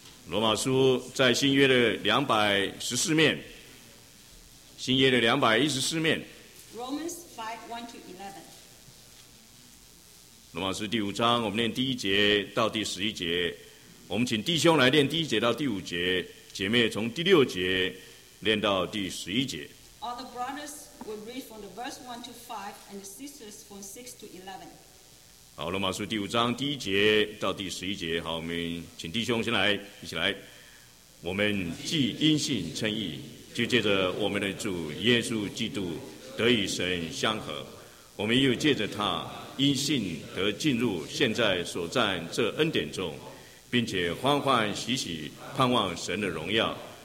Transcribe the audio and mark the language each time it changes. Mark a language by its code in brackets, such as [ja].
[zh] 罗马书在新约的214面，新约的214面。 [en] Romans 5:1-11。 [zh] 罗马书第五章，我们念第一节到第十一节。我们请弟兄来念第一节到第五节，姐妹从第六节念到第十一节。 [en] All the brothers. We'll read from the verse 1 to 5 and the sisters from 6 to 11. [zh] 好，罗马书第五章第一节到第十一节。好，我们请弟兄先来，一起来。我们既因信称义，就借着我们的主耶稣基督得与神相合。我们又借着他因信得进入现在所占这恩典中，并且欢欢喜喜盼望神的荣耀。